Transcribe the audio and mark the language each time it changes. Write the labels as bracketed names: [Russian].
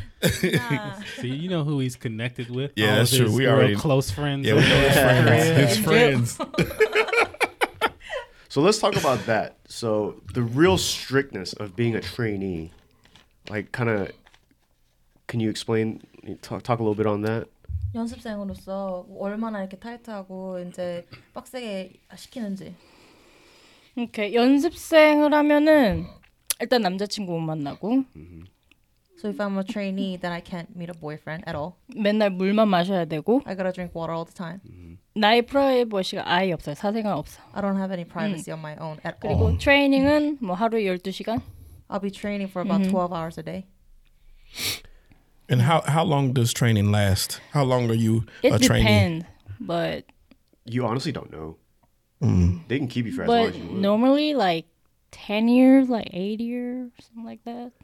[English] See, you know who he's connected with. Yeah, that's true. We are close friends. Yeah, we know his friends. His friends. So let's talk about that. So the real strictness of being a trainee, like, kind of, can you explain? Talk a little bit on that. [Korean] 연습생으로서 얼마나 이렇게 타이트하고 이제 빡세게 시키는지. Okay, 연습생을 하면은 일단 남자친구 못 만나고. [English] So if I'm a trainee, then I can't meet a boyfriend at all. [Korean] 맨날 물만 마셔야 되고. [English] I gotta drink water all the time. [Korean] 나의 프라이버시가 아예 없어요. 사생활 없어. [English] I don't have any privacy on my own at [Korean] 그리고 [English] all. [Korean] 그리고 트레이닝은 뭐 하루에 12시간? [English] I'll be training for about 12 hours a day. And how long does training last? How long are you a trainee? It depends, but... You honestly don't know. Mm. They can keep you for as long as you want. Normally, like, 10-year, like 8-year, something like that.